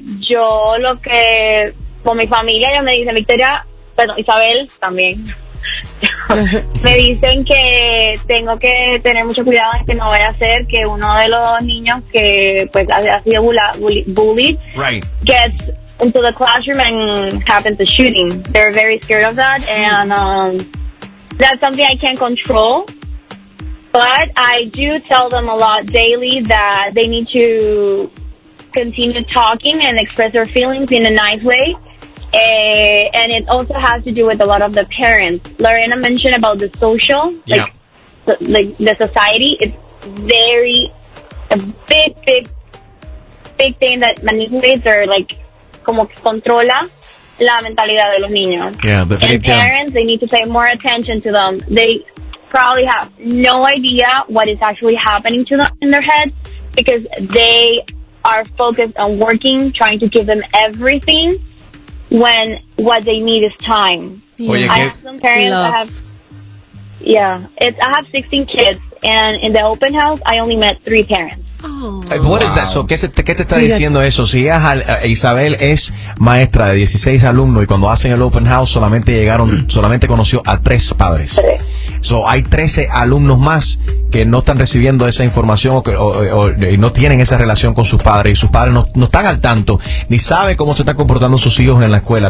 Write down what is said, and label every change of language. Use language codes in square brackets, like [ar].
[es] Yo lo que, con mi familia, ya me dicen, Victoria, bueno, Isabel también, me dicen que tengo que tener mucho cuidado en que no vaya a ser que uno de los niños que pues ha sido bullied, [en] right, gets into the classroom and happens a shooting. They're very scared of that, and that's something I can't control, but I do tell them a lot daily that they need to continue talking and express their feelings in a nice way, and it also has to do with a lot of the parents. Lorena mentioned about the social, the society. It's very, a big, big, big thing that manipulates or, like, [es] como que controla la mentalidad de los niños. [en] Parents, they need to pay more attention to them. They probably have no idea what is actually happening to them in their head because they are focused on working, trying to give them everything when what they need is time. [es] Oye, [en] I have some parents that have... I have 16 kids, and in the open house, I only met 3 parents. Oh, what is that? So, [es] ¿qué te está diciendo eso? Si Isabel es maestra de 16 alumnos y cuando hacen el open house solamente llegaron, solamente conoció a 3 padres. So, hay 13 alumnos más que no están recibiendo esa información o no tienen esa relación con sus padres y sus padres no están al tanto ni saben cómo se están comportando sus hijos en la escuela.